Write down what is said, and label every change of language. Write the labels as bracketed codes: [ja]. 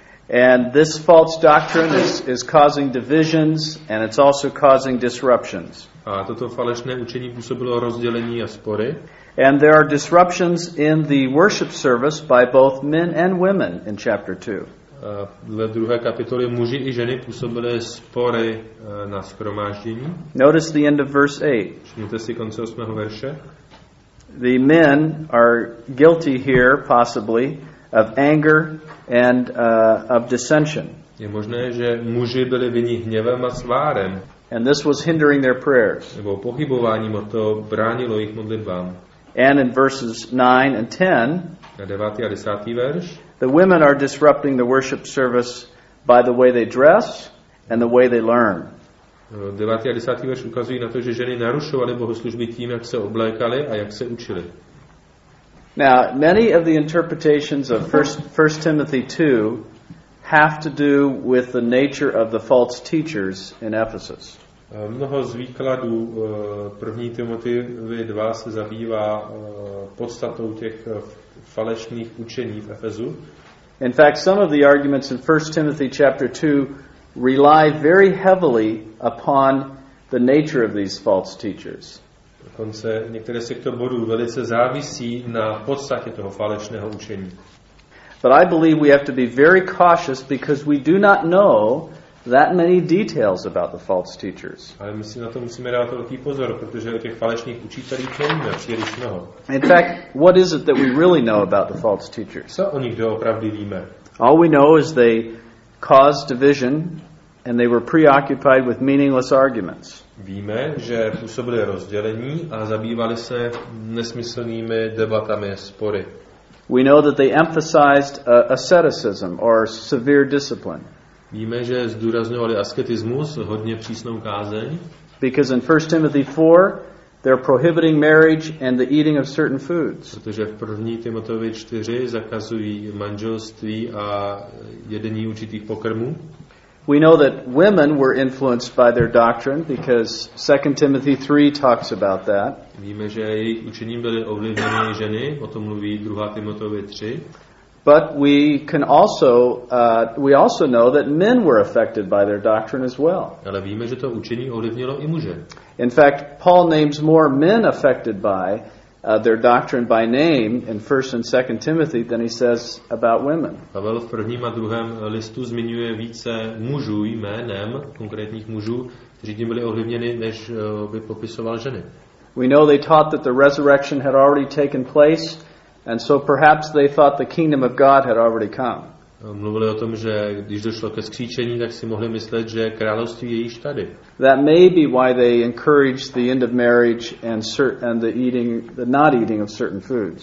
[en] And this false doctrine is causing divisions and it's also causing disruptions. [cs] A toto falešné učení působilo rozdělení a spory. [en] And there are disruptions in the worship service by both men and women in chapter 2. [cs] Ve druhé kapitoli muži i ženy působili spory na shromáždění. [en] Notice the end of verse 8. [cs] Všimněte si konce 8. verše. [en] The men are guilty here possibly of anger and of dissension. [cs] Je možné, že muži byli vinni hněvem a svárem. [en] And this was hindering their prayers. [cs] Nebo pochybováním, o to bránilo jich modlitbám. [en] And in verses 9 and 10. [cs] Na 9. a 10. verš. [en] The women are disrupting the worship service by the way they dress and the way they learn. [cs] 9. a 10. verš ukazují na to, že ženy narušovaly bohoslužby tím, jak se oblékaly a jak se učily. [en] Now, many of the interpretations of 1 Timothy 2 have to do with the nature of the false teachers in Ephesus. [cs] Mnoho z výkladů 1. Timoteovi 2 se zabývá podstatou těch falešných učení v Efezu. [en] In fact, some of the arguments in 1 Timothy chapter 2 rely very heavily upon the nature of these false teachers. [cs] Dokonce některé z těchto bodů velice závisí na podstatě toho falešného učení. [en] But I believe we have to be very cautious because we do not know that many details about the false teachers. [cs] Ale my si na to musíme dát velký pozor, protože o těch falešných učitelích nevíme příliš mnoho. [en] In fact, what is it that we really know about the false teachers? [cs] Co o nich doopravdy víme? [en] All we know is they caused division and they were preoccupied with meaningless arguments. [cs] Víme, že působili rozdělení a zabývali se nesmyslnými debatami a spory. [en] We know that they emphasized asceticism or severe discipline. [cs] Víme, že zdůrazňovali asketismus, hodně přísnou kázeň. [en] Because in 1 Timothy 4 they're prohibiting marriage and the eating of certain foods. [cs] Protože v 1. Timoteovi 4 zakazují manželství a jedení určitých pokrmů. [en] We know that women were influenced by their doctrine because 2 Timothy 3 talks about that. [cs] Víme, že jejich učením byly ovlivněny ženy, o tom mluví 2. Timoteovi 3. [en] But we can also know that men were affected by their doctrine as well. [cs] Ale víme, že to učení ovlivnilo i muže. [en] In fact, Paul names more men affected by their doctrine by name in 1 and 2 Timothy than he says about women. [cs] Pavel v 1. a 2. listu zmiňuje více mužů jménem konkrétních mužů, kteří tím byli ovlivněni, než by popisoval ženy. [en] We know they taught that the resurrection had already taken place. And so perhaps they thought the kingdom of God had already come. [cs] Mluvili o tom, že když došlo ke vzkříšení, tak si mohli myslet, že království je již tady. [en] That may be why they encouraged the end of marriage and the not eating of certain foods.